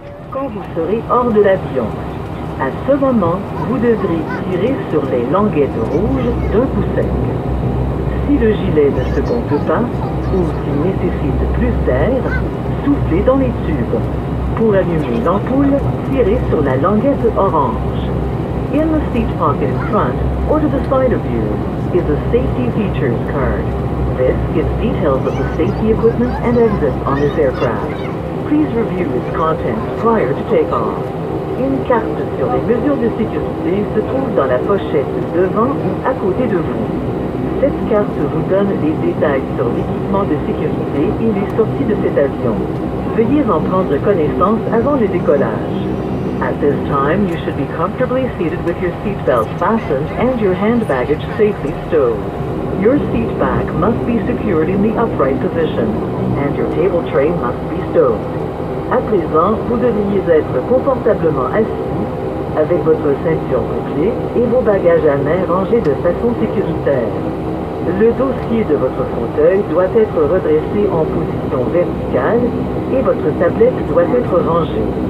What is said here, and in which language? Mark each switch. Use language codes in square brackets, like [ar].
[fr] Quand vous serez hors de l'avion, à ce moment, vous devrez tirer sur les languettes rouges d'un coup sec. Si le gilet ne se compte pas, ou s'il nécessite plus d'air, soufflez dans les tubes. Pour allumer l'ampoule, tirez sur la languette orange. [en] In the seat pocket in front or to the side of you is a safety features card. This gives details of the safety equipment and exits on this aircraft. Please review its contents prior to takeoff. [fr] Une carte sur les mesures de sécurité se trouve dans la pochette devant ou à côté de vous. Cette carte vous donne les détails sur l'équipement de sécurité et les sorties de cet avion. Veuillez en prendre connaissance avant le décollage. [en] At this time, you should be comfortably seated with your seatbelt fastened and your hand baggage safely stowed. Your seat back must be secured in the upright position, and your table tray must be stowed. [fr] À présent, vous devriez être confortablement assis, avec votre ceinture au pied et vos bagages à main rangés de façon sécuritaire. Le dossier de votre fauteuil doit être redressé en position verticale et votre tablette doit être rangée.